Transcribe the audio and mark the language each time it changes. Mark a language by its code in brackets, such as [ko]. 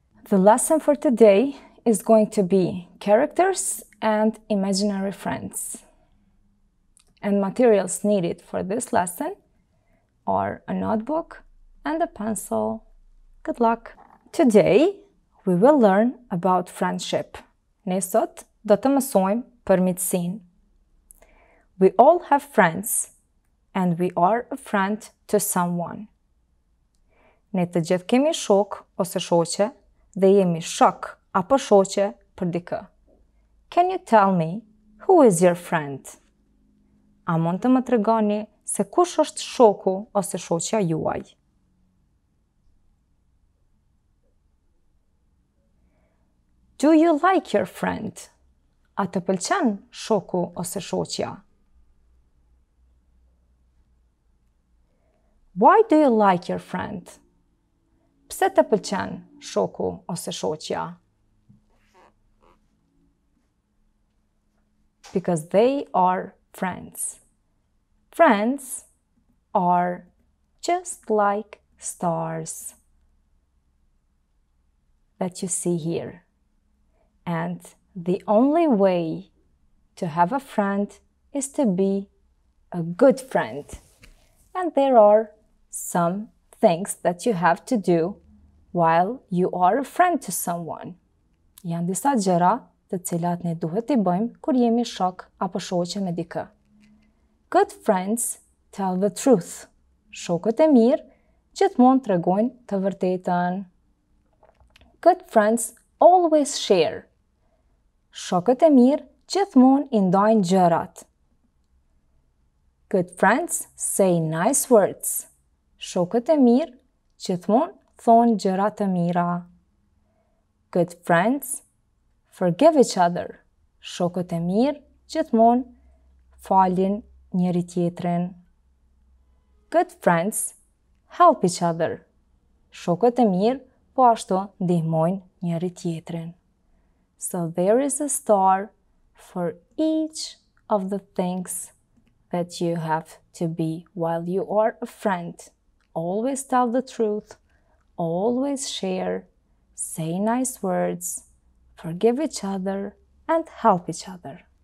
[en] The lesson for today is going to be characters and imaginary friends. And materials needed for this lesson are a notebook and a pencil. Good luck! Today we will learn about friendship. [sq] Ne sot do të mësojmë për miqësinë. [en] We all have friends, and we are a friend to someone. [sq] Ne të gjithë kemi shok ose shoqe dhe jemi shok apo shoqe për dikë. [en] Can you tell me who is your friend? [sq] A mund të më tregoni se kush është shoku ose shoqja juaj? [en] Do you like your friend? [sq] A të pëlqen shoku ose shoqja? [en] Why do you like your friend? [sq] Pse të pëlqen shoku ose shoqja? [en] Because they are friends. Friends are just like stars that you see here. And the only way to have a friend is to be a good friend. And there are some things that you have to do while you are a friend to someone. [sq] Janë disa gjëra të cilat ne duhet të bëjmë kur jemi shok apo shoqe me dikë. [en] Good friends tell the truth. [sq] Shokët e mirë gjithmonë tregojnë të vërtetën. [en] Good friends always share. [sq] Shokët e mirë gjithmonë i ndajnë gjërat. [en] Good friends say nice words. [sq] Shokët e mirë gjithmonë thonë gjëra të mira. [en] Good friends forgive each other. [sq] Shokët e mirë gjithmonë falin njëri tjetrin. [en] Good friends help each other. [sq] Shokët e mirë po ashtu ndihmojnë njëri tjetrin. [en] So there is a star for each of the things that you have to be while you are a friend. Always tell the truth, always share, say nice words, forgive each other, and help each other.